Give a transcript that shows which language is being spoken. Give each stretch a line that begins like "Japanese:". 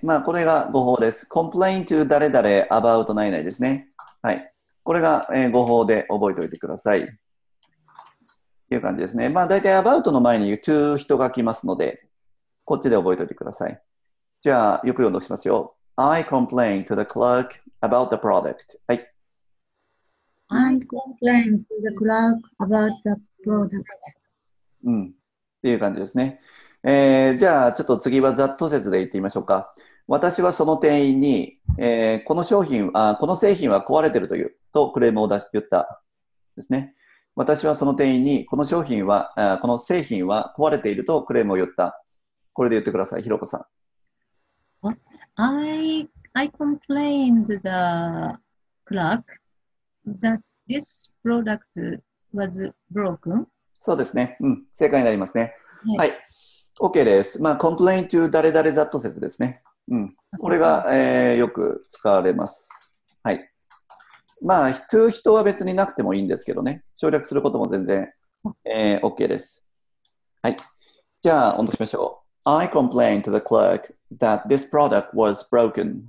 Japanese: まあ、これが誤報です。
English: Complain to
Japanese: 誰々 about 何々ですね。はい。これが、語法で覚えておいてください。という感じですね。まあ、だいたい about の前に to 人が来ますので、こっちで覚えておいてください。じゃあ、よく読んでおきますよ。
English: I complain to the clerk about the product.
Japanese: はい。
English: I complain to the clerk about the product.
Japanese: うん。っていう感じですね。じゃあ、ちょっと次はざっと説で言ってみましょうか。私はその店員に、この製品は壊れてるという、とクレームを出して言った。ですね。私はその店員に、この商品は、この製品は壊れているとクレームを言った。これで言ってください、ひろこさん。
English: I complained to the clerk that this product was broken.
Japanese: そうですね。うん。正解になりますね。はい。はい、OK です。まあ、
English: complain to
Japanese: 誰々ざっと説ですね。うん、これが、よく使われます。はい。まあ、to 人は別になくてもいいんですけどね。省略することも全然、OK です。はい。じゃあ、音読しましょう。
English: I complained to the clerk that this product was broken.